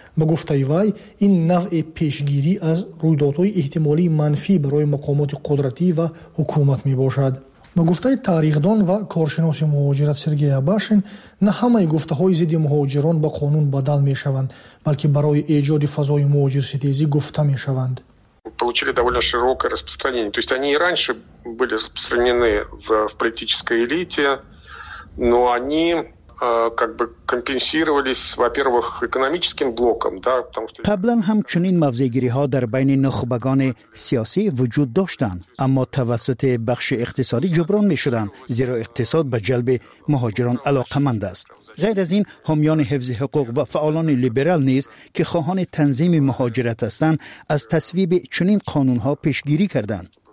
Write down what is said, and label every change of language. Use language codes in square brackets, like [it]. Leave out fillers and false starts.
[fa] به گفته وی، این نوع پیشگیری از رویدادهای احتمالی منفی برای مقامات قدرتی و حکومت می‌باشد. به گفته تاریخدان و کارشناس مهاجرت سرگئی آباشین، نه همه گفته‌های ضد مهاجران به قانون بدل می‌شوند، بلکه برای ایجاد فضای مهاجرستیزی گفته می‌شوند. [ru] получили довольно широкое распространение. То есть они и раньше были распространены в политической элите, но они как бы компенсировались, во-первых, экономическим блоком, да, потому что [fa] قبلاً همچنین موضع‌گیری‌ها در بین نخبگان سیاسی وجود داشتند، اما توسط بخش اقتصادی جبران می‌شدند، زیرا اقتصاد به جلب مهاجران علاقه‌مند است. غیر از این، حامیان حفظ حقوق و فعالان لیبرال نیز که خواهان تنظیم مهاجرت هستند، از تصویب چنین قانون‌ها پیشگیری کردند.